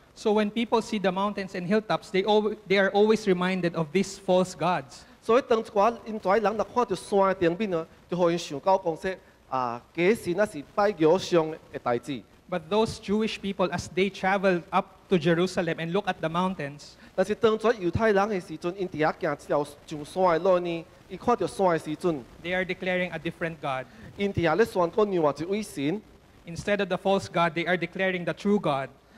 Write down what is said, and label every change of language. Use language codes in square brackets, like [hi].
[en] So when people see the mountains and hilltops, they are always reminded of these false gods. [nan] 所以当一挂因遮人若看到山的顶面呢，就予因想到讲说。假神那是拜偶像的代志。 [en] But those Jewish people, as they traveled up to Jerusalem and look at the mountains, [nan] 但是当作犹太人的时阵，因底下行一条上山的路呢，伊看到山的时阵， [en] they are declaring a different God. [nan] 因底下咧宣告另外一位神。 [en] Instead of the false God, they are declaring the true God.